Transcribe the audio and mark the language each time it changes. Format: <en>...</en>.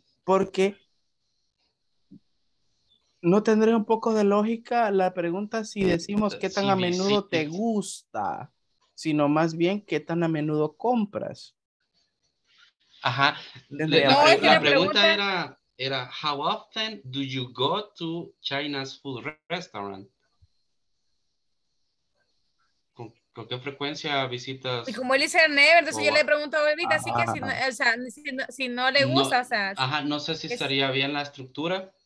<es>Porque ¿no tendría un poco de lógica la pregunta si decimos qué tan a menudo te gusta, sino más bien qué tan a menudo compras? Ajá. La pregunta era,</es> <en>how often do you go to China's food restaurant?</en> <es>¿Con qué frecuencia visitas? Y como él dice never, entonces yo le pregunto a Bebita, así que si no le gusta, no, o sea. Ajá, no sé si estaría bien la estructura.</es>